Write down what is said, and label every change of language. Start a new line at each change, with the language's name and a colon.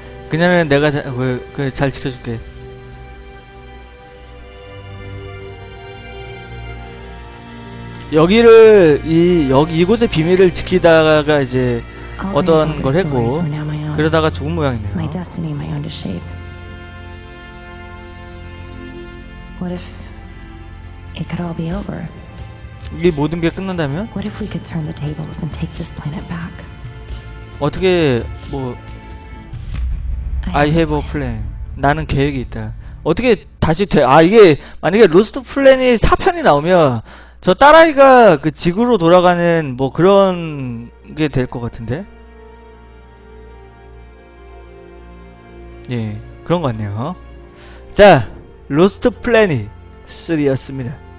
Korean: 그녀는 내가 잘 지켜줄게. 여기를 이곳의 비밀을 지키다가 이제 어떤 걸 했고 그러다가 죽은 모양이네요.
English: My destiny, my own shape. What if it could all be over?
Korean: 이 모든 게 끝난다면?
English: What if we could turn the tables and take this planet back?
Korean: 어떻게 뭐
English: I have a plan.
Korean: 나는 계획이 있다. 어떻게 다시 돼? 아 이게 만약에 로스트 플랜이 4편이 나오면 저 딸아이가 그 지구로 돌아가는 뭐 그런 게 될 것 같은데? 예, 그런 것 같네요. 자, 로스트 플래닛 3였습니다.